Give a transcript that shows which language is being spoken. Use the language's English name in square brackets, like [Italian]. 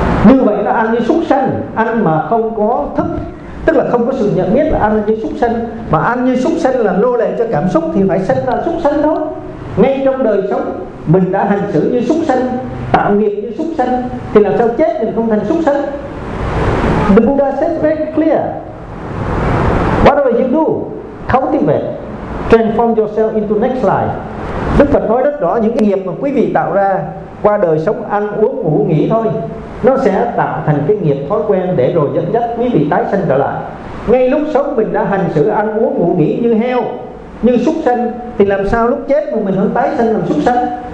[Vietnamese] Như vậy nó ăn như súc sanh, ăn mà không có thức, tức là không có sự nhận biết, là ăn như súc sanh. Mà ăn như súc sanh là nô lệ cho cảm xúc thì phải sanh ra súc sanh đó. Ngay trong đời sống mình đã hành xử như súc sanh, tạo nghiệp như súc sanh, thì làm sao chết mình không thành súc sanh? [English] The Buddha said very clear, whatever you do, cultivate, transform yourself into next life. [Vietnamese] Đức Phật nói rất rõ, những cái nghiệp mà quý vị tạo ra qua đời sống ăn uống ngủ nghỉ thôi, nó sẽ tạo thành cái nghiệp thói quen để rồi dẫn dắt quý vị tái sanh trở lại. Ngay lúc sống mình đã hành xử ăn uống ngủ nghỉ như heo, như súc sanh, thì làm sao lúc chết mà mình không tái sanh làm súc sanh?